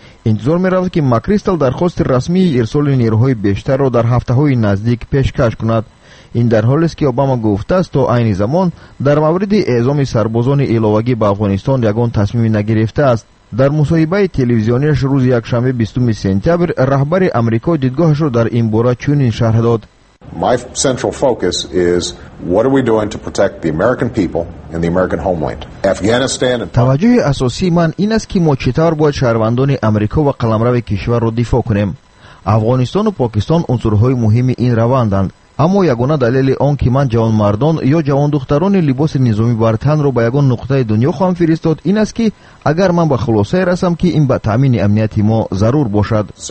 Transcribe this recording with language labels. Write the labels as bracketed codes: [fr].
[tg] Интизор меравад, ки Макристал дархости расмии ирсоли нерӯҳои бештарро дар ҳафтаҳои наздик пешкаш кунад. ин дар ҳолест, ки Обама гуфтааст, то айни замон дар мавриди эъзоми сарбозони иловагӣ ба Афғонистон ягон тасмими нагирифтааст. дар мусоҳибаи телевизиониаш рӯзи якшанбе 20 сентябр раҳбари Амрико дидгоҳашро дар ин бора чунин шарҳ дод: [en] My central focus is what are we doing to protect the American people and the American homeland. Afghanistan and [tg] Таваҷҷӯҳи асосии ман ин аст, ки мо чӣ тавр бояд шаҳрвандони Амрико ва қаламрави кишварро дифоъ кунем. Афғонистону Покистон унсурҳои муҳими ин раванданд, аммо ягона далели он, ки ман ҷавонмардон ё ҷавондухтарони либоси низоми бартанро ба ягон нуқтаи дунё хоҳам фиристод, ин аст, ки агар ман ба хулосае расам, ки ин ба таъмини амнияти мо зарур бошад.